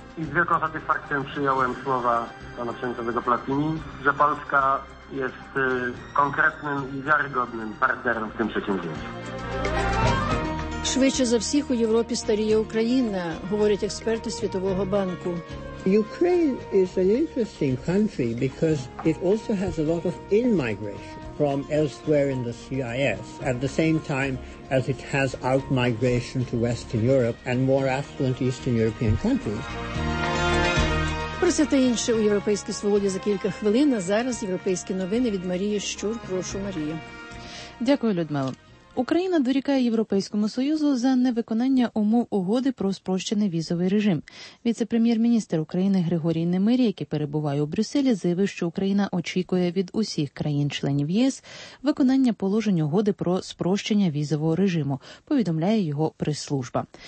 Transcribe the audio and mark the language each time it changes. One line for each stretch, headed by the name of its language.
Ukrainian: Із великою сатисфакцією прийняв слова пана Сенцевого Платіні, що Польща є конкретним і вірогідним партнером в цьому сьогодні. Швидше за всіх у Європі старіє Україна, говорять експерти Світового банку.
English: Ukraine is an interesting country because it also has a lot of in-migration from elsewhere in the CIS at the same time as it has out-migration to Western Europe and more affluent Eastern European countries.
Ukrainian: Про це та інше у Європейській свободі за кілька хвилин, а зараз європейські новини від Марії Щур. Прошу, Марія. Дякую, Людмила. Україна дорікає Європейському Союзу за невиконання умов угоди про спрощений візовий режим. Віце-прем'єр-міністр України Григорій Немир, який перебуває у Брюсселі, заявив, що Україна очікує від усіх країн-членів ЄС виконання положень угоди про спрощення візового режиму, повідомляє його прес-служба.